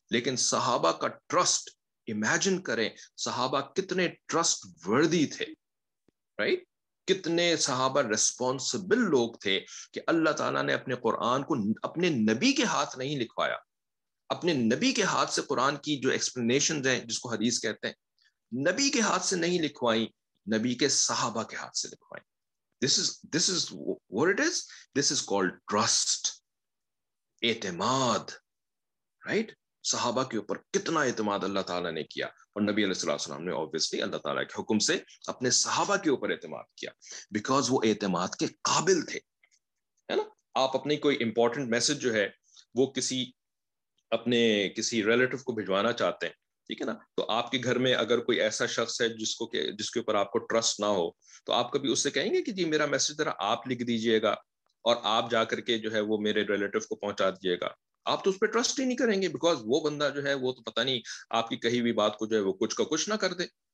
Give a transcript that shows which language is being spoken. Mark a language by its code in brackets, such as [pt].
[ur] لیکن صحابہ کا ٹرسٹ امیجن کریں, صحابہ کتنے ٹرسٹ وردی تھے, رائٹ, کتنے صحابہ ریسپانسبل لوگ تھے کہ اللہ تعالیٰ نے اپنے قرآن کو اپنے نبی کے ہاتھ نہیں لکھوایا, اپنے نبی کے ہاتھ سے قرآن کی جو ایکسپلینیشن ہیں جس کو حدیث کہتے ہیں نبی کے ہاتھ سے نہیں لکھوائیں, نبی کے صحابہ کے ہاتھ سے لکھوائیں. [en] This is what it is. This is called trust, اعتماد, right? [ur] صحابہ کے اوپر کتنا اعتماد اللہ تعالیٰ نے کیا, اور نبی علیہ الصلوۃ والسلام نے obviously اللہ تعالیٰ کے حکم سے اپنے صحابہ کے اوپر اعتماد کیا, because وہ اعتماد کے قابل تھے. ہے نا, آپ اپنی کوئی امپورٹنٹ میسج جو ہے وہ کسی اپنے کسی ریلیٹو کو بھیجوانا چاہتے ہیں, ٹھیک ہے نا, تو آپ کے گھر میں اگر کوئی ایسا شخص ہے جس کے اوپر آپ کو ٹرسٹ نہ ہو تو آپ کبھی اس سے کہیں گے کہ جی میرا میسج ذرا آپ لکھ دیجئے گا اور آپ جا کر کے جو ہے وہ میرے ریلیٹو کو پہنچا دیجئے گا؟ آپ تو اس پہ ٹرسٹ ہی نہیں کریں گے, بیکاز وہ بندہ جو ہے وہ تو پتہ نہیں آپ کی کہی ہوئی بات کو جو ہے وہ کچھ کا کچھ نہ کر دے,